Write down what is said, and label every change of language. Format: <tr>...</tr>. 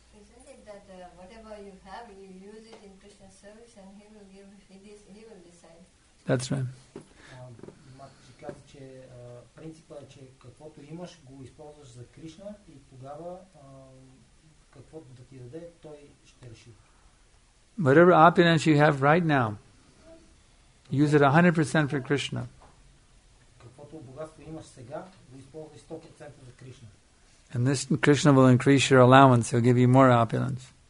<en>Isn't it that whatever you have, you use it in Krishna's service and He will give, He will decide. That's right.</en> <bg>Матчи каза, че принципът е, че каквото имаш, го използваш за Кришна и тогава каквото да ти даде, той ще реши.</bg> <en>Whatever opulence you have right now, use it 100% for Krishna.</en> <bg>Каквото богатство имаш сега, го използвай 100% за Кришна.</bg> <en>And this Krishna will increase your allowance. He'll give you more opulence.</en>